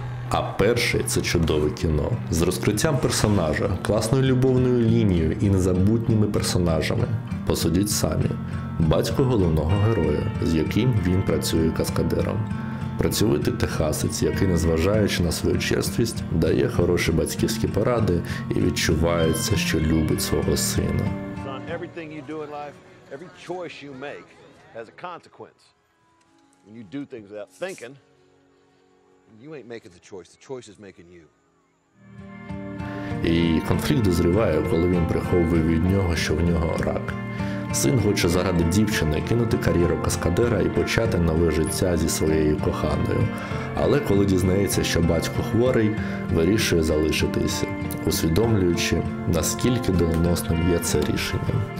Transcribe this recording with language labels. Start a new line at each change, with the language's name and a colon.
Ukrainian: А перший – це чудове кіно з розкриттям персонажа, класною любовною лінією і незабутніми персонажами. Посудіть самі. Батько головного героя, з яким він працює каскадером. Працьовитий техасець, який, незважаючи на свою черствість, дає хороші батьківські поради і відчувається, що любить свого сина.
English: Son, everything you do in life, every choice you make has a consequence. When you do things without thinking, you ain't making the choice is making you.
Ukrainian: І конфлікт дозріває, коли він приховує від нього, що в нього рак. Син хоче заради дівчини кинути кар'єру каскадера і почати нове життя зі своєю коханою. Але коли дізнається, що батько хворий, вирішує залишитися, усвідомлюючи, наскільки доленосним є це рішення.